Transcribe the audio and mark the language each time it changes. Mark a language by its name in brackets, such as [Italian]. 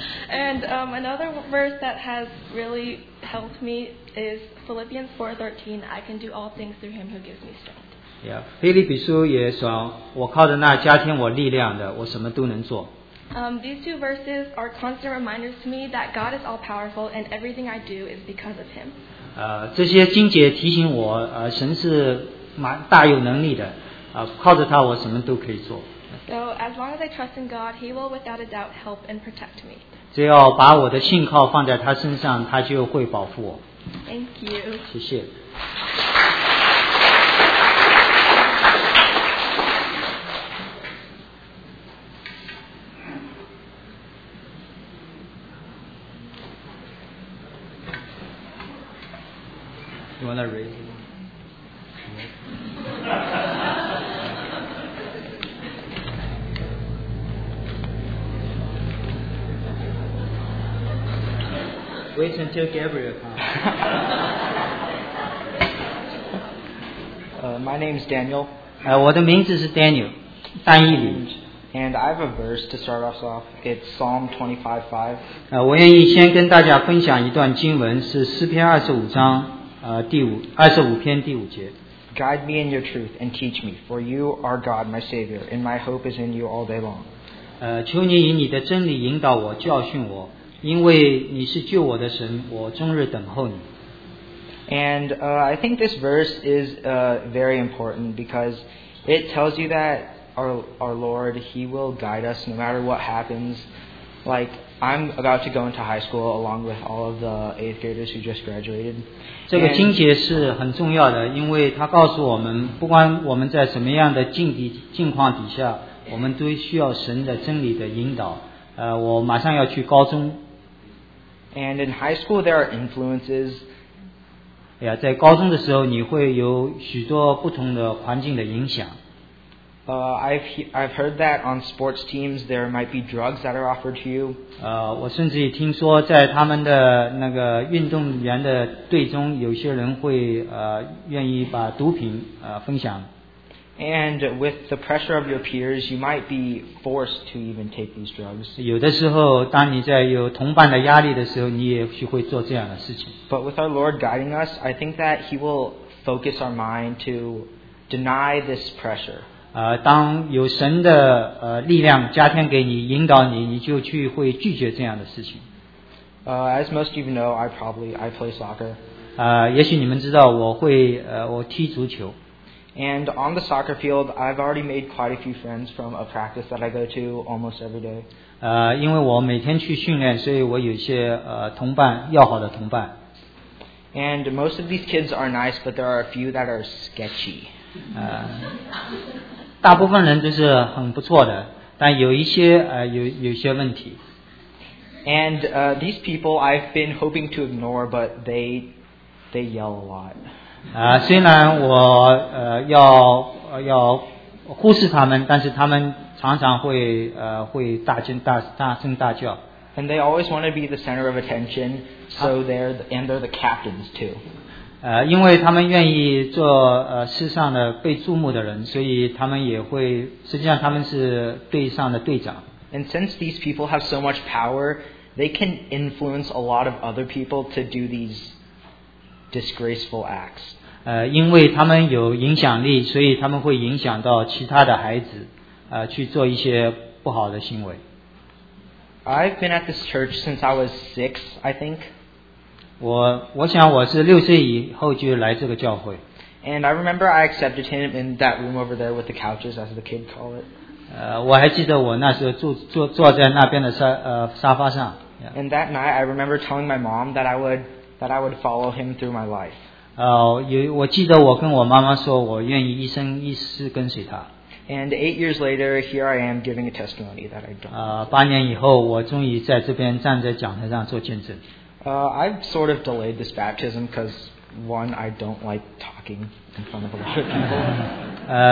[English] And another verse that has really helped me is Philippians 4:13. I can do all things through Him who gives me strength. [Chinese] Yeah, 腓立比书也说，我靠着那加添我力量的，我什么都能做。 [English] These two verses are constant reminders to me that God is all powerful and everything I do is because of Him. [Chinese] 这些经节提醒我，神是蛮大有能力的，靠着他我什么都可以做。 [English] So as long as I trust in God, He will without a doubt help and protect me. [Chinese] 只要把我的信靠放在他身上，他就会保护我。 [English] Thank you. [Chinese] 谢谢。 [English] You wanna raise it? Wait until Gabriel comes. My name is Daniel. [Chinese] 我的名字是 Daniel, 丹义林。 [English] And I have a verse to start us off. It's Psalm 25:5. [Chinese] 我愿意先跟大家分享一段经文，是诗篇二十五章。 [English] 25:5. Guide me in your truth and teach me, for you are God, my Savior, and my hope is in you all day long. [Chinese] 求你以你的真理引导我，教训我，因为你是救我的神，我终日等候你。 [English] And I think this verse is very important because it tells you that our Lord, He will guide us no matter what happens. Like, I'm about to go into high school along with all of the 8th graders who just graduated. [Chinese] 这个经节是很重要的，因为它告诉我们，不管我们在什么样的境况底下，我们都需要神的真理的引导。我马上要去高中。 [English] And in high school, there are influences. [Chinese] 在高中的时候，你会有许多不同的环境的影响。 [English] I've heard that on sports teams there might be drugs that are offered to you. [Chinese] 我甚至也听说在他们的那个运动员的队中，有些人会愿意把毒品分享。 [English] And with the pressure of your peers, you might be forced to even take these drugs. [Chinese] 有的时候，当你在有同伴的压力的时候，你也许会做这样的事情。 [English] But with our Lord guiding us, I think that He will focus our mind to deny this pressure. [Chinese] 当有神的力量加添给你引导你，你就去会拒绝这样的事情。 [English] As most of you know, I play soccer. [Chinese] 也许你们知道我会我踢足球。 [English] And on the soccer field, I've already made quite a few friends from a practice that I go to almost every day. [Chinese] 因为我每天去训练，所以我有些同伴，要好的同伴。 [English] And most of these kids are nice, but there are a few that are sketchy. [Chinese] 大部分人都是很不错的，但有一些有些问题。 [English] And these people I've been hoping to ignore, but they yell a lot. [Chinese] 虽然我要忽视他们，但是他们常常会大声大叫。 [English] And they always want to be the center of attention, so they're the captains too. [Chinese] 因为他们愿意做世上的被注目的人，所以他们也会，实际上他们是队上的队长。 [English] And since these people have so much power, they can influence a lot of other people to do these disgraceful acts. [Chinese] 因为他们有影响力，所以他们会影响到其他的孩子，去做一些不好的行为。 [English] I've been at this church since I was 6, I think. [Chinese] 我想我是六岁以后就来这个教会。 [English] And I remember I accepted him in that room over there with the couches, as the kid called it. [Chinese] 我还记得我那时候坐在那边的沙发上。 [English] And that night I remember telling my mom that I would follow him through my life. [Chinese] 我记得我跟我妈妈说我愿意一生一世跟随他。 [English] And 8 years later, here I am giving a testimony that I don't. [Chinese] 八年以后我终于在这边站在讲台上做见证。 [English] I've sort of delayed this baptism because, one, I don't like talking in front of a lot of people.